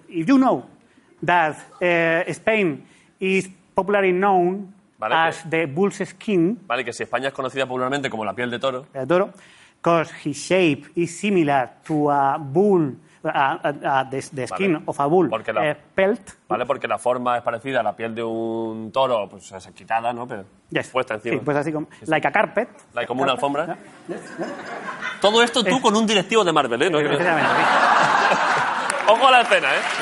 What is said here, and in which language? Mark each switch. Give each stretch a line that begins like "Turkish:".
English: If you know that Spain is popularly known as the bull's skin.
Spanish: Vale, que si España es conocida popularmente como la piel de toro. De toro.
English: Because his shape is similar to a bull, the skin of a bull.
Spanish: Porque la
English: pelt.
Spanish: Vale, porque la forma es parecida a la piel de un toro, pues es quitada, ¿no? Pero...
English: Yes.
Spanish: Puesta encima. Sí, pues así como...
English: Like a carpet. Like
Spanish: como
English: carpet.
Spanish: Una alfombra.
English: Yeah. Yes. Yeah.
Spanish: Todo esto tú con un directivo de Marvel, ¿eh? ¿No? Exactamente. Ojo a la escena, ¿eh?